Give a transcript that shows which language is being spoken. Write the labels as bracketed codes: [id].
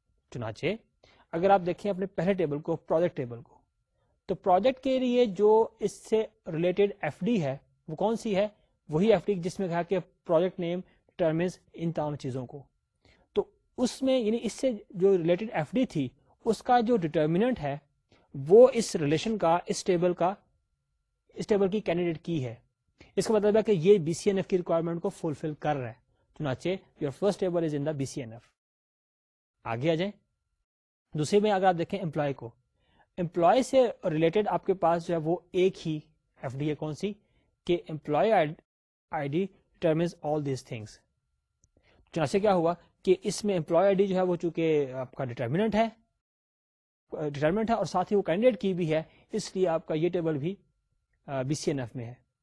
[ur] چنانچہ اگر آپ دیکھیں اپنے پہلے ٹیبل کو, پروجیکٹ ٹیبل کو, تو پروجیکٹ کے لیے جو اس سے ریلیٹڈ ایف ڈی ہے وہ کون سی ہے, وہی ایف ڈی جس میں کہا کہ پروجیکٹ نیم ڈیٹرمنز ان تمام چیزوں کو. تو اس میں یعنی اس سے جو ریلیٹڈ ایف ڈی تھی اس کا جو ڈیٹرمنٹ ہے وہ اس ریلیشن کا, اس ٹیبل کا, اس ٹیبل کی کینڈیڈیٹ کی ہے. اس کا مطلب ہے کہ یہ بی سی این ایف کی ریکوائرمنٹ کو فلفل کر رہا ہے. [en] چنانچہ your first table is in the B C N F. [ur] آگے آ جائیں دوسرے میں, اگر آپ دیکھیں امپلائی کو, امپلائی سے ریلیٹڈ آپ کے پاس جو ہے وہ ایک ہی ایف ڈی ہے, کون سی, کہ [en] Employee I D determines all these things. [ur] چنانچہ کیا ہوا کہ اس میں امپلائی آئی ڈی جو ہے وہ چونکہ آپ کا ڈیٹرمنٹ ہے, ڈیٹرمنٹ ہے اور ساتھ ہی وہ کینڈیڈیٹ کی بھی ہے, اس لیے آپ کا یہ ٹیبل بھی بی سی این ایف میں ہے.